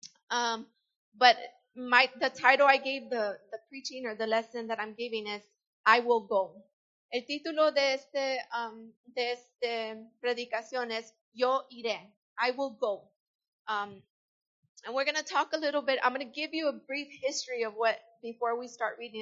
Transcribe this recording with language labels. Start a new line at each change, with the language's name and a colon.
English: But the title I gave the preaching or the lesson that I'm giving is I will go.
Spanish: El título de este predicación es Yo iré.
English: I will go. And we're going to talk a little bit. I'm going to give you a brief history of what, before we start reading.